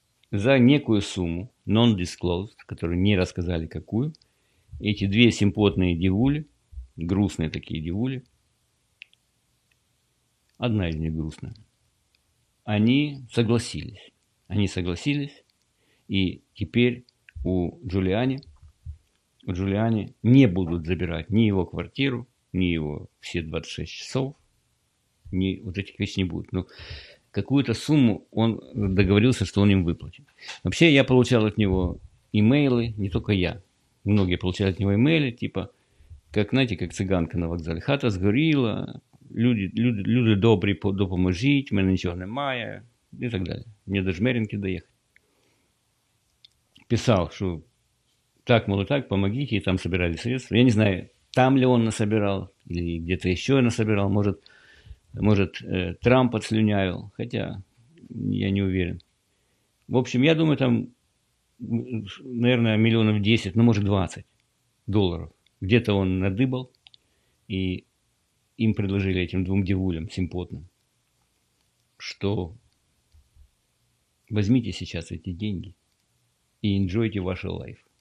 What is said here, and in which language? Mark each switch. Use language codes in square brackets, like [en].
[ru] За некую сумму, non-disclosed, которую не рассказали какую, эти две симпотные девули, грустные такие девули, одна из них грустная, они согласились, и теперь у Джулиани не будут забирать ни его квартиру, ни его все 26 часов, ни вот этих вещей не будет. Но какую-то сумму он договорился, что он им выплатит. Вообще, я получал от него имейлы, не только я. Многие получали от него имейлы, типа, как, знаете, как цыганка на вокзале. Хата сгорела, люди добрые, [uk] допоможіть, мене нічого немає, і так далі. Мені до Жмеринки доїхати. Писав, що так, мол, і так, помогіть, і там збирали средства. [ru] Я не знаю, там ли он насобирал, или где-то еще насобирал, может, Трамп отслюнявил, хотя я не уверен. В общем, я думаю, там, наверное, миллионов 10, ну, может, 20 долларов. Где-то он надыбал, и им предложили этим двум девулям симпотным, что возьмите сейчас эти деньги и enjoyте ваш life.